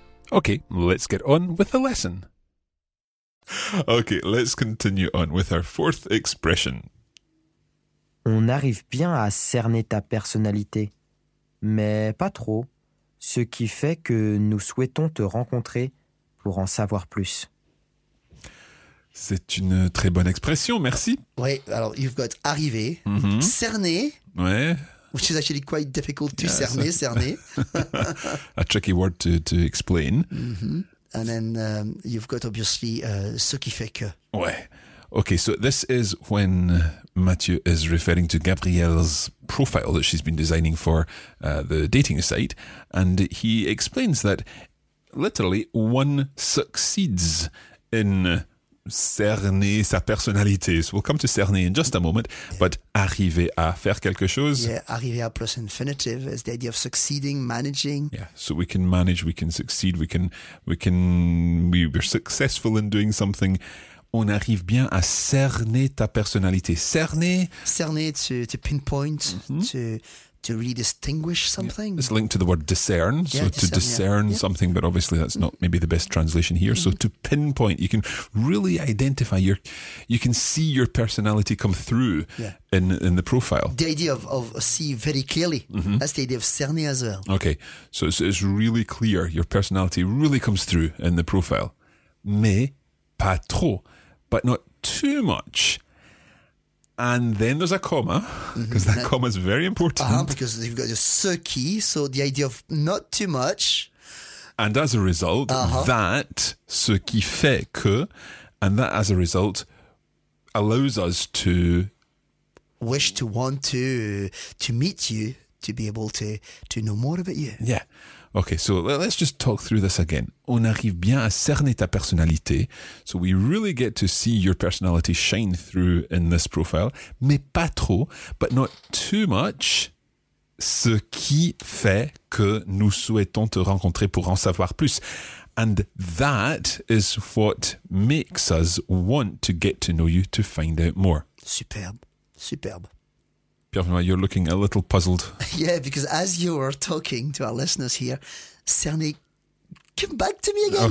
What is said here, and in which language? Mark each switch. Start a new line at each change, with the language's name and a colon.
English: Okay, let's get on with the lesson. Okay, let's continue on with our fourth expression.
French: On arrive bien à cerner ta personnalité, mais pas trop, ce qui fait que nous souhaitons te rencontrer pour en savoir plus. C'est une très bonne expression, merci. Oui, alors
English: you've got arriver, cerner.
French: Oui.
English: Which is actually quite difficult to cerner. A tricky word to explain. Mm-hmm. And then you've got obviously
French: ce qui fait que. Ouais.
English: Okay, so this is when Mathieu is referring to Gabrielle's profile that she's been designing for the dating site. And he explains that literally one succeeds in
French: cerner sa personnalité.
English: So we'll come to cerner in just a moment, but
French: arriver à faire quelque chose.
English: Yeah,
French: arriver à
English: plus infinitive is the idea of succeeding, managing. Yeah, so we can manage, we can succeed, we're successful in doing something.
French: On arrive bien à cerner ta personnalité. Cerner.
English: Cerner, to pinpoint, to really distinguish something. Yeah. It's linked to the word discern, to discern something, but obviously that's not maybe the best translation here. Mm-hmm. So to pinpoint, you can really identify you can see your personality come through in the profile. The idea of see very clearly, that's the idea of cerner as well. Okay, so it's really clear, your personality really comes through in the profile.
French: Mais pas trop,
English: but not too much. And then there's a comma, because that comma is very important. Because you've got your
French: ce qui,
English: so the idea of not too much. And as a result, that,
French: ce qui fait que,
English: and that as a result, allows us to... wish to want to meet you, to be able to know more about you. Yeah. Okay, so let's just talk through this again.
French: On arrive bien à cerner ta personnalité.
English: So we really get to see your personality shine through in this profile.
French: Mais pas trop,
English: but not too much.
French: Ce qui fait que nous souhaitons te rencontrer pour en savoir plus.
English: And that is what makes us want to get to know you, to find out more.
French: Superbe, superbe.
English: Pierre-Benoît, you're looking a little puzzled. Yeah, because as you are talking to our listeners here, cerné, come back to me again.